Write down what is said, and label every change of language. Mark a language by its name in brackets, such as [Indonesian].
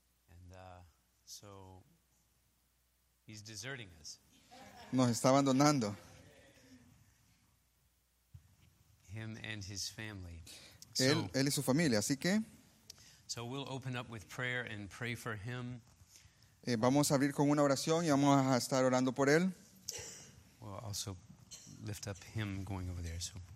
[English] And so he's deserting us. [Spanish] Nos está abandonando. [English] Him and his family. [Spanish] Él y su familia, así que. [English] So we'll open up with prayer and pray for him. [Spanish] Vamos a abrir con una oración y vamos a estar orando por él. [English] We'll also lift up him going over there. So.